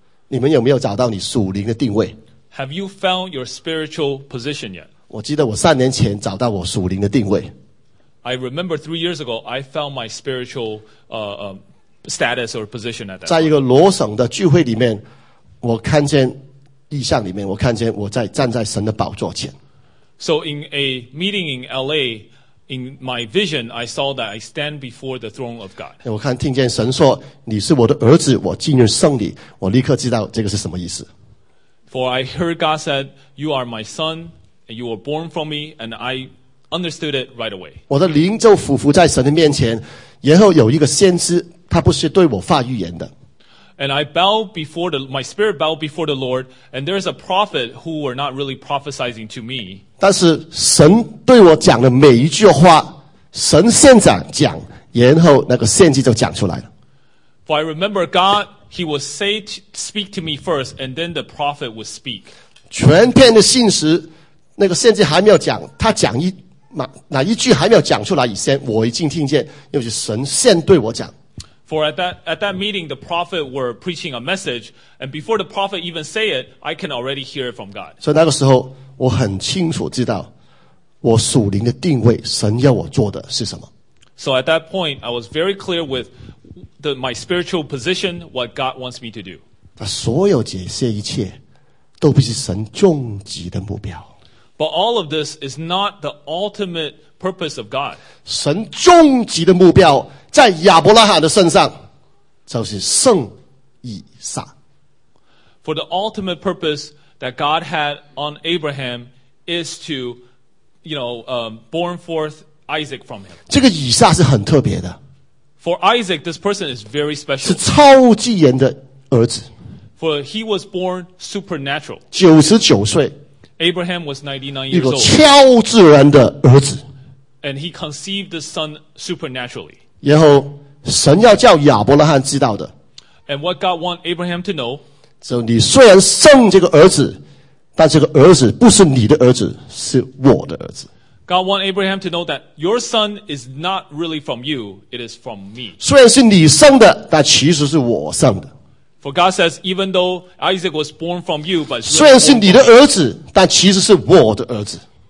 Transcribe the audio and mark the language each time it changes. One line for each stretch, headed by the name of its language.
Chinese: 你们有没有找到你属灵的定位？
English: Have you found your spiritual position yet?
Chinese: 我记得我三年前找到我属灵的定位。
English: I remember 3 years ago I found my spiritual status or position at that.
Chinese: 在一个罗省的聚会里面，我看见异象里面，我看见我在站在神的宝座前。
English: So in a meeting in LA, in my vision, I saw that I stand before the throne of God.
Chinese: 我看听见神说，你是我的儿子，我今日生你，我立刻知道这个是什么意思。
English: For I heard God said, you are my son, and you were born from me, and I understood it right away.
Chinese: 我的灵就俯伏在神的面前，然后有一个先知，他不是对我发预言的。
English: And I bowed before my spirit bowed before the Lord, and there is a prophet who were not really prophesizing to me.
Chinese: 但是神对我讲的每一句话，神先长讲，然后那个先知就讲出来了。
English: For I remember God, he would say, speak to me first, and then the prophet would speak.
Chinese: 全篇的信实，那个先知还没有讲，他讲哪一句还没有讲出来以前，我已经听见，又是神先对我讲。
English: For at that meeting, the prophet were preaching a message, and before the prophet even say it, I can already hear it from God.
Chinese: 所以那个时候，我很清楚知道我属灵的定位，神要我做的是什么。
English: So at that point, I was very clear with my spiritual position, what God wants me to do.
Chinese: 所有这些一切，都不是神终极的目标。
English: But all of this is not the ultimate purpose of God.
Chinese: 神终极的目标在亚伯拉罕的身上，就是圣以撒。
English: For the ultimate purpose that God had on Abraham is to, you know, born forth Isaac from him.
Chinese: 这个以撒是很特别的。
English: For Isaac, this person is very special.
Chinese: 是超自然的儿子。
English: For he was born supernatural.
Chinese: 99岁。
English: Abraham was 99 years old.
Chinese: 一个超自然的儿子。
English: And he conceived the son supernaturally.
Chinese: 然后神要叫亚伯拉罕知道的，
English: And what God want Abraham to know,
Chinese: 就你虽然生这个儿子，但这个儿子不是你的儿子，是我的儿子。
English: God want Abraham to know that your son is not really from you, it is from me.
Chinese: 虽然是你生的，但其实是我生的。
English: For God says, even though Isaac was born from you, but
Chinese: 虽然是你的儿子，但其实是我的儿子。